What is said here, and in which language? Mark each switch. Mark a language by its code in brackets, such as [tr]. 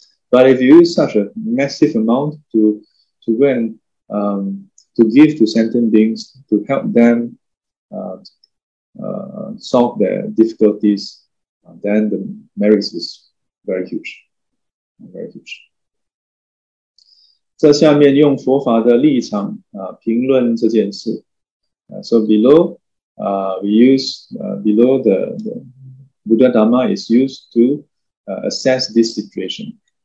[en] But if you use such a massive amount to go and to give to sentient beings to help them solve their difficulties, then the merits is very huge. Very huge. [zh] 这下面用佛法的立场评论这件事. [en] So below, we use below the Buddha Dhamma is used to assess this situation.